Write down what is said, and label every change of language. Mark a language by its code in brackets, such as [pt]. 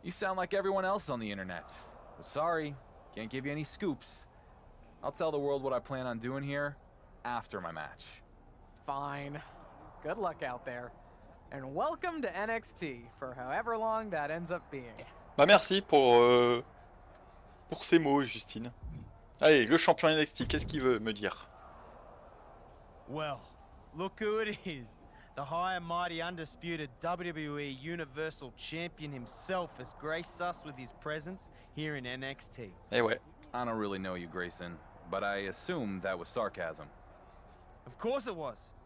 [en] You sound like everyone else on the internet. But sorry, can't give you any scoops. I'll tell the world what I plan on doing here after my match. Fine. Good luck out there, and welcome to NXT for however long that ends up being. [fr] Bah merci pour ces mots, Justine. Allez, le champion NXT, qu'est-ce qu'il veut me dire? [en] Well, look who it is. The high and mighty undisputed WWE Universal Champion himself has graced us with his presence here in NXT. Hey, wait. I don't really know you, Grayson, but I assume that was sarcasm. Of course it was.